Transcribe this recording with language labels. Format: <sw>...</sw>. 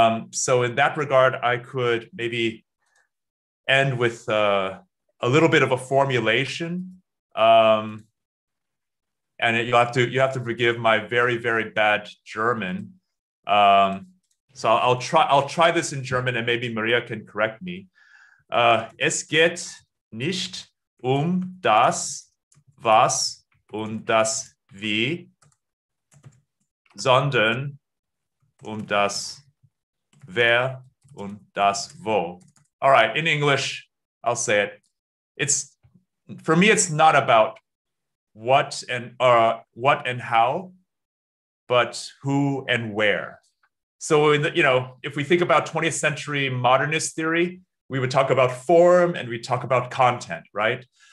<en>So in that regard, I could maybe end with a little bit of a formulation. And you have to forgive my very, very bad German. So I'll try this in German, and maybe Marija can correct me.</en> <de>Es geht nicht das, was und das wie, sondern das wer und das wo.</de> <en>All right, in English, I'll say it. It's, for me, it's not about what and how, but who and where. So in the, you know, if we think about 20th century modernist theory, we would talk about form and we talk about content, right?</en>